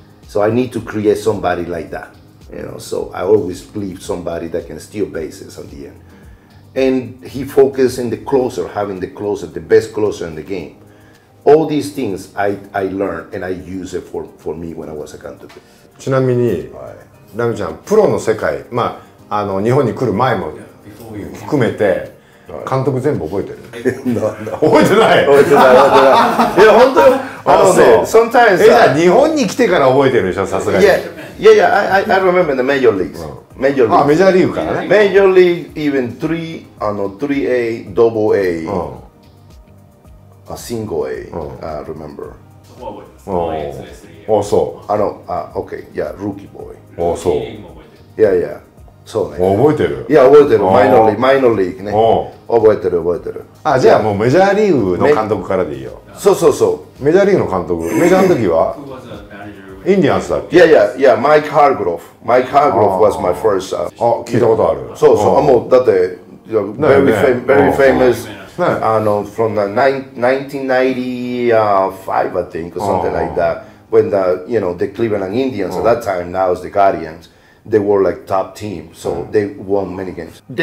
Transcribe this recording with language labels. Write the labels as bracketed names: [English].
[English] So I need to create somebody like that. You know, so I always believe somebody that can steal bases at the end. And he focused in the closer, having the closer, the best closer in the game. All these things I learned and I use it for me when I was a Kantoku. [Japanese] ちなみに、ラムちゃん、プロの世界、まあ、あの日本に来る前も含めて、監督全部覚えてる？覚えてない？覚えてない、覚えてない。いや、本当、 [English] sometimes… [Japanese] じゃあ、日本に来てから覚えてるでしょ、さすがに。 [English] Yeah, yeah, I remember the major leagues. Major league. [Japanese] メジャーリーグからね。 [English] Major league, even 3A, double A,、a single A,、I remember. [Japanese] そこは覚えてます。そう。 [English] あの、okay, yeah, rookie boy. [Japanese] あ、そう。 [English] Yeah, yeah. [Japanese] そうね。覚えてる。いや、覚えてる。Minor league ね。覚えてる、覚えてる。あ、じゃあもうメジャーリーグの監督からでいいよ。そうそうそう。メジャーリーグの監督。メジャーの時はインディアンスだっけ？ [English] Yeah, yeah, yeah, Mike Hargrove. Mike Hargrove was my first. [Japanese] あ、聞いたことある。そうそう、もうだって、 [English] very famous, from the 1995, I think, or something like that, when the, you know, the Cleveland Indians at that time, now is the Guardians, they were like top team, so they won many games.